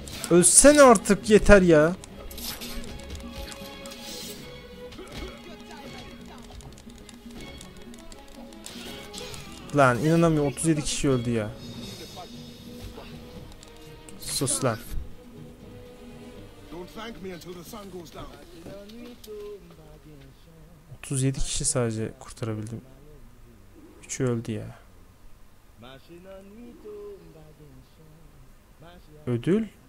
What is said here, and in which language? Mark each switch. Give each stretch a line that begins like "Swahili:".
Turkish: Ölsene artık, yeter ya. Lan inanamıyorum, 37 kişi öldü ya. Sus lan.
English: Don't thank me until the sun goes down.
Turkish: 37 kişi sadece kurtarabildim. 3 öldü ya. Ödül.